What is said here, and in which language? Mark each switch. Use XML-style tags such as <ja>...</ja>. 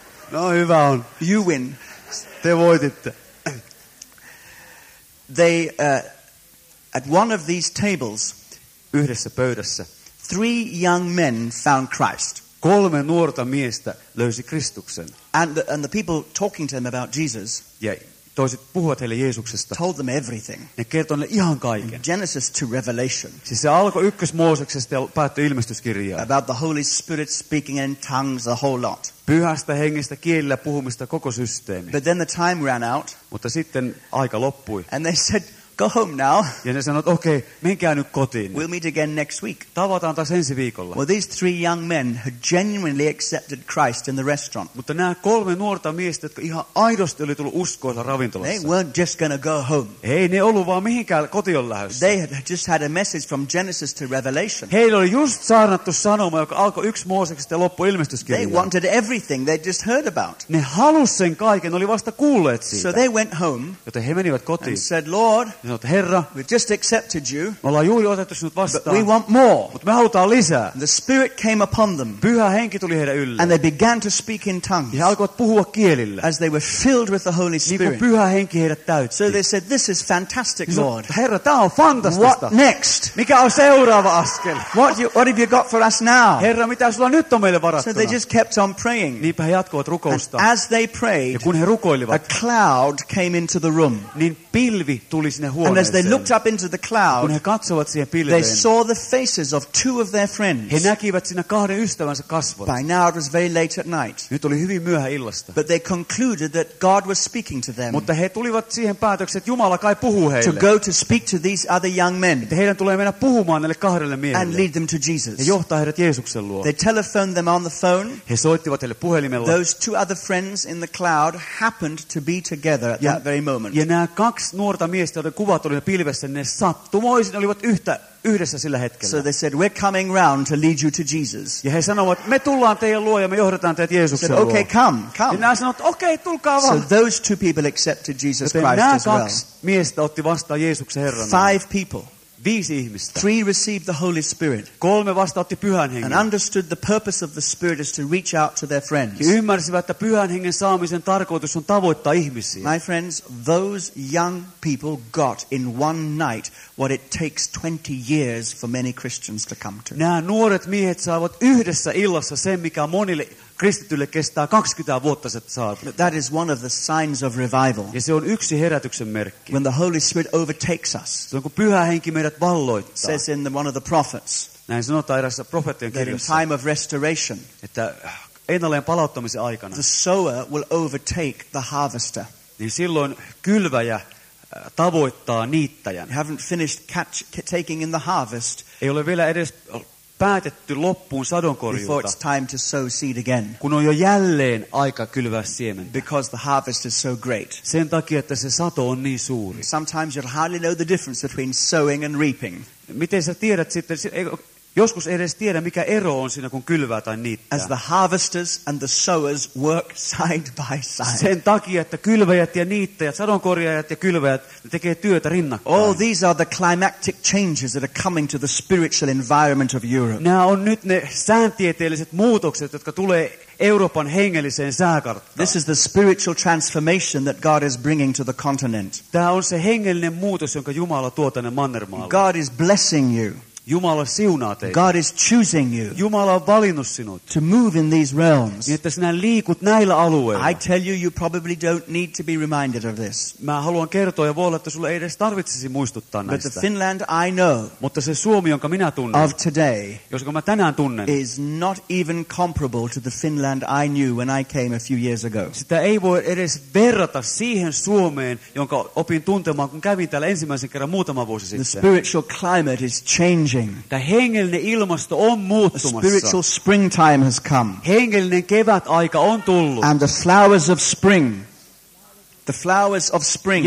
<fi>No hyvä on.</fi> <en>You win.</en> <fi>Te voititte.</fi> <en>At one of these tables,</en> <fi>yhdessä pöydässä,</fi> <en>three young men found Christ.</en> <fi>Kolme nuorta miestä löysi Kristuksen.</fi> <en>And the people talking to them about Jesus.</en> <fi>Ja toiset puhuvat heille Jeesuksesta.</fi> <en>Told them everything.</en> <fi>Ne kertoi ihan kaiken.</fi> <en>From Genesis to Revelation.</en> <fi>Siis se alkoi Ykkösmooseksesta ja päättyi Ilmestyskirjaan.</fi> <en>About the Holy Spirit speaking in tongues, a whole lot.</en> <fi>Pyhästä hengestä, kielillä puhumista, koko systeemi.</fi> <en>But then the time ran out.</en> <fi>Mutta sitten aika loppui.</fi> <en>And they said, go home now.</en> <fi>Ja ne sanoivat, okei, menkää nyt kotiin.</fi> <en>We'll meet again next week.</en> <fi>Tavataan taas ensi viikolla.</fi> <en>Well, these three young men had genuinely accepted Christ in the restaurant.</en> <fi>Mutta nämä kolme nuorta miestä, jotka ihan aidosti oli tullut uskoilla ravintolassa.</fi> <en>They weren't just gonna go home.</en> <fi>Ei ne ollut vaan mihinkään kotiin lähdössä.</fi> <en>They had just had a message from Genesis to Revelation.</en> <fi>Heillä oli just saarnattu sanoma, joka alkoi yksi Mooseksesta ja loppui Ilmestyskirjaan.</fi> <en>They wanted everything they just heard about.</en> <fi>Ne halusi sen kaiken, oli vasta kuulleet siitä.</fi> <en>So they went home.</en> <fi>Joten he menivät kotiin.</fi> <en>And said, Lord.</en> <fi>sanoo, Herra,</fi> <en>we just accepted you.</en> <fi>Me ollaan juuri otettu sinut vastaan.</fi> <en>But we want more.</en> <fi>Mutta me halutaan lisää.</fi> <en>And the Spirit came upon them.</en> <fi>Pyhä henki tuli heidän ylle.</fi> <en>And they began to speak in tongues.</en> <fi>He alkoivat puhua kielillä.</fi> <en>As they were filled with the Holy Spirit.</en> <fi>Niin kuin Pyhä henki heidät täytti.</fi> <en>So they said, this is fantastic, Lord.</en> <fi>Herra, tämä on fantastista.</fi> <en>What next?</en> <fi>Mikä on seuraava askel?</fi> <en>What have you got for us now?</en> <fi>Herra, mitä sulla nyt on meille varattuna?</fi> <en>So they just kept on praying.</en> <fi>Niinpä he jatkoivat rukousta.</fi> <en>And as they prayed,</en> <fi>ja kun he rukoilivat,</fi> <en>a cloud came into the room.</en> <fi>Niin pilvi tuli sinne huoneeseen.</fi> <en>And as they looked up into the cloud,</en> <fi>kun he katsoivat siihen pilveen,</fi> <en>they saw the faces of two of their friends.</en> <fi>He näkivät siinä kahden ystävänsä kasvot.</fi> <en>By now it was very late at night.</en> <fi>Nyt oli hyvin myöhä illasta.</fi> <en>But they concluded that God was speaking to them.</en> <fi>Mutta he tulivat siihen päätökseen, että Jumala kai puhuu heille.</fi> <en>To go to speak to these other young men.</en> <fi>Että heidän tulee mennä puhumaan näille kahdelle miehelle.</fi> <en>And lead them to Jesus.</en> <fi>Ja johtaa heidät Jeesuksen luo.</fi> <en>They telephoned them on the phone.</en> <fi>He soittivat heille puhelimella.</fi> <en>Those two other friends in the cloud happened to be together at that very moment.</en> <fi>Ja nämä kaksi nuorta miestä, joiden kuvat olivat pilvessä, ne sattumoisin olivat yhdessä sillä hetkellä.</fi> <en>So they said, we're coming round to lead you to Jesus.</en> <fi>Ja he sanovat, me tullaan teidän luo ja me johdetaan teidät Jeesuksen luo.</fi> <en>Okay, come, come.</en> <fi>Ja nämä sanovat, okei, tulkaa vaan.</fi> <en>So those two people accepted Jesus Christ as well.</en> <fi>Joten nämä kaksi miestä otti vastaan Jeesuksen Herran.</fi> <en>Five people.</en> <fi>Viisi ihmistä.</fi> <en>Three received the Holy Spirit.</en> <fi>Kolme vastaatti Pyhän Hengen.</fi> <en>And understood the purpose of the Spirit is to reach out to their friends.</en> <fi>He ymmärsivät, että Pyhän Hengen saamisen tarkoitus on tavoittaa ihmisiä.</fi> <en>My friends, those young people got in one night what it takes 20 years for many Christians to come to.</en> <fi>Nämä nuoret miehet saavat yhdessä illassa sen, mikä monille kristitylle kestää 20 vuotta se saada.</fi> <en>That is one of the signs of revival.</en> <fi>Ja se on yksi herätyksen merkki.</fi> <en>When the Holy Spirit overtakes us.</en> <fi>Silloin kun Pyhä Henki meidät valloittaa.</fi> <en>Says in one of the prophets.</en> <fi>Näin sanotaan eräässä profeettien kirjassa.</fi> <en>That in time of restoration.</en> <fi>Että ennalleen palauttamisen aikana.</fi> <en>The sower will overtake the harvester.</en> <fi>Niin silloin kylväjä tavoittaa niittäjän.</fi> <en>You haven't finished taking in the harvest.</en> <fi>Ei ole vielä edes päätetty loppuun sadonkorjuuta.</fi> <en>Before it's time to sow seed again.</en> <fi>Kun on jo jälleen aika kylvää siementä.</fi> <en>Because the harvest is so great.</en> <fi>Sen takia, että se sato on niin suuri.</fi> <en>Sometimes you'll hardly know the difference between sowing and reaping.</en> <fi>Miten sä tiedät sitten, joskus ei edes tiedä, mikä ero on siinä, kun kylvää tai niittää.</fi> <en>As the harvesters and the sowers work side by side.</en> <fi>Sen takia, että kylväjät ja niittäjät, sadonkorjaajat ja kylväjät, ne tekee työtä rinnakkain.</fi> <en>All these are the climactic changes that are coming to the spiritual environment of Europe.</en> <fi>Nämä on nyt ne sääntieteelliset muutokset, jotka tulee Euroopan hengelliseen sääkarttaan.</fi> <en>This is the spiritual transformation that God is bringing to the continent.</en> <fi>Tämä on se hengellinen muutos, jonka Jumala tuo tänne Mannermaalle.</fi> <en>God is blessing you.</en> <fi>Jumala siunaa teitä.</fi> <en>God is choosing you.</en> <fi>Jumala on valinnut sinut.</fi> <en>To move in these realms.</en> <fi>Niin että sinä liikut näillä alueilla.</fi> <en>I tell you, you probably don't need to be reminded of this.</en> <fi>Mä haluan kertoa ja voi olla, että sulle ei edes tarvitsisi muistuttaa näistä.</fi> <en>But the Finland I know.</en> <fi>Mutta se Suomi, jonka minä tunnen.</fi> <en>Of today.</en> <fi>Josko mä tänään tunnen.</fi> <en>Is not even comparable to the Finland I knew when I came a few years ago.</en> <fi>Sitä ei voi edes verrata siihen Suomeen, jonka opin tuntemaan, kun kävin täällä ensimmäisen kerran muutama vuosi sitten.</fi> <en>The spiritual climate is changing.</en> <fi>Tämä hengellinen ilmasto on muuttumassa.</fi> <en>A spiritual springtime has come.</en> <fi>Hengellinen kevätaika on tullut.</fi> <en>And the flowers of spring, the flowers of spring.</en>